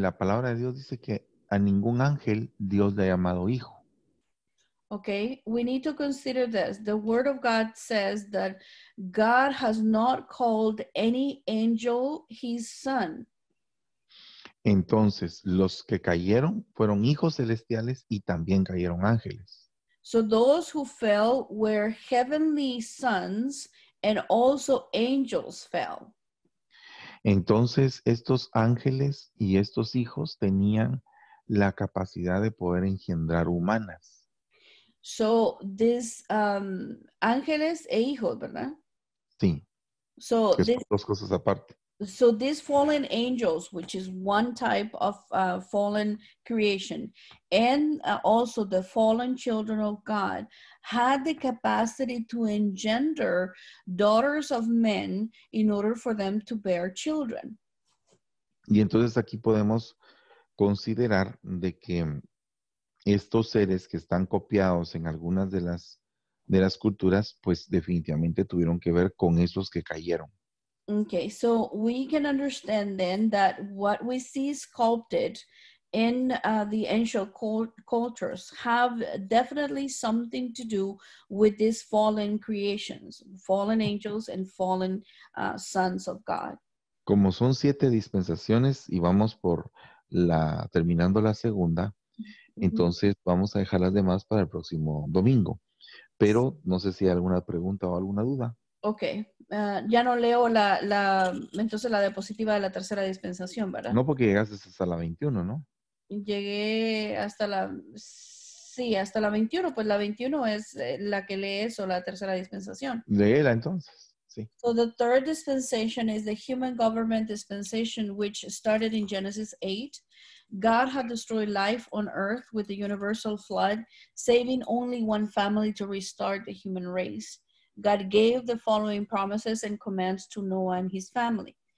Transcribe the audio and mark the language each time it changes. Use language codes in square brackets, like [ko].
[es] La palabra de Dios dice que a ningún ángel Dios le ha llamado hijo. [en] Okay, we need to consider this. The word of God says that God has not called any angel his son. [es] Entonces, los que cayeron fueron hijos celestiales y también cayeron ángeles. [en] So those who fell were heavenly sons and also angels fell. [es] Entonces, estos ángeles y estos hijos tenían la capacidad de poder engendrar humanas. [en] So this [es] ángeles e hijos, ¿verdad? Sí. [en] So this, [es] dos cosas aparte. [en] So these fallen angels, which is one type of fallen creation, and also the fallen children of God, had the capacity to engender daughters of men in order for them to bear children. [es] Y entonces aquí podemos considerar de que estos seres que están copiados en algunas de las culturas, pues definitivamente tuvieron que ver con esos que cayeron. [en] Okay, so we can understand then that what we see sculpted in the ancient cultures have definitely something to do with these fallen creations, fallen angels and fallen sons of God. [es] Como son siete dispensaciones y vamos por la terminando la segunda, entonces vamos a dejar las demás para el próximo domingo. Pero no sé si hay alguna pregunta o alguna duda. Ok. Ya no leo entonces la diapositiva de la tercera dispensación, ¿verdad? No, porque llegaste hasta la 21, ¿no? Llegué hasta la... Sí, hasta la 21. Pues la 21 es la que lees o la tercera dispensación. Léela entonces, sí. [en] So the third dispensation is the human government dispensation, which started in Genesis 8. God had destroyed life on earth with the universal flood, saving only one family to restart the human race. God gave the following promises and commands to Noah and his family.